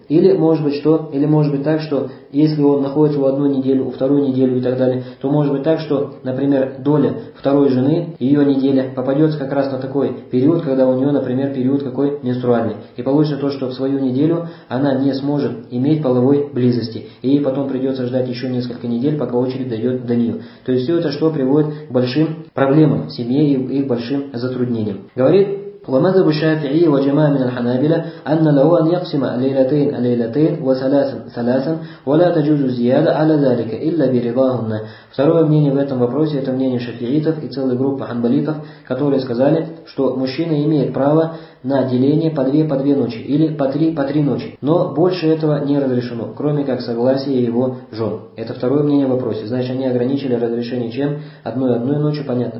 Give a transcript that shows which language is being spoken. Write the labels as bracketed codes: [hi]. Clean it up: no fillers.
[ru] Или может быть что? Или может быть так, что если он находится у одной недели, у второй недели и так далее, то может быть так, что, например, доля второй жены, ее неделя, попадется как раз на такой период, когда у нее, например, период какой менструальный. И получится то, что в свою неделю она не сможет иметь половой близости. И ей потом придется ждать еще несколько недель, пока очередь дойдет до нее. То есть все это что приводит к большим проблемам в семье и к большим затруднениям. [ar] Говорит, ومذهب الشافعي وجماعة من الحنابلة أن له أن يقسم ليلتين ليلتين وثلاثا ثلاثا ولا تجوز زيادة على ذلك إلا برضاهن. [ru] Второе мнение в этом вопросе — это мнение шафиитов и целой группы ханбалитов, которые сказали, что мужчина имеет право на деление по две ночи или по три ночи. Но больше этого не разрешено, кроме как согласие его жен. Это второе мнение в вопросе. Значит, они ограничили разрешение чем? Одной ночью, понятно.